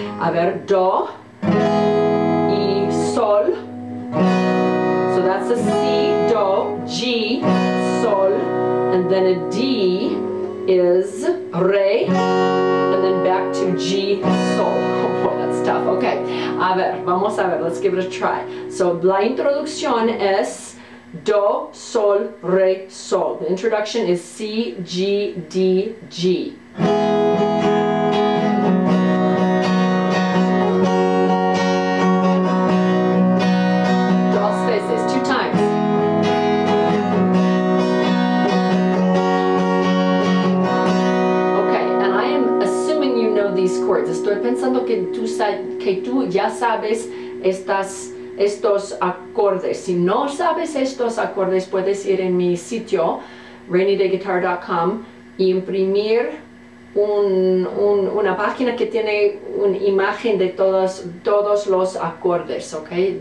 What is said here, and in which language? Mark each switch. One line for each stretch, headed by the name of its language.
Spanish: A ver, do y sol.
English: So that's a C, do, G, sol, and then a D is re, and then back to G, sol. Oh boy, that's tough. Okay,
Spanish: a ver, vamos a ver,
English: let's give it a try.
Spanish: So la introducción es do, sol, re, sol.
English: The introduction is C, G, D, G.
Spanish: Dos veces,
English: two times. Okay, and I am assuming you know these chords.
Spanish: Estoy pensando que tú ya sabes estos acordes. Si no sabes estos acordes, puedes ir en mi sitio rainydayguitar.com e imprimir una página que tiene una imagen de todos los acordes, okay?